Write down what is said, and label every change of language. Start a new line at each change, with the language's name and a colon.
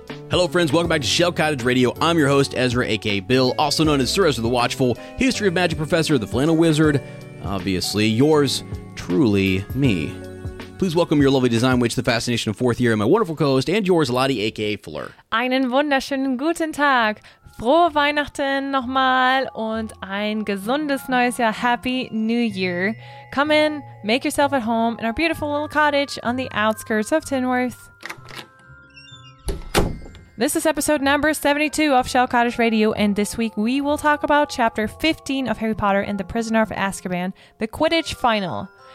English: Hello, friends. Welcome back to Shell Cottage Radio. I'm your host, Ezra, aka Bill, also known as Sir Ezra the Watchful, History of Magic Professor, the Flannel Wizard, obviously yours truly, me. Please welcome your lovely design witch, the fascination of fourth year, and my wonderful co-host and yours, Lottie, aka Fleur.
German: Einen wunderschönen guten Tag. Frohe Weihnachten nochmal und ein gesundes neues Jahr.
English: Happy New Year. Come in, make yourself at home in our beautiful little cottage on the outskirts of Tinworth. This is episode number 72 of Shell Cottage Radio, and this week we will talk about chapter 15 of Harry Potter and the Prisoner of Azkaban, the Quidditch Final.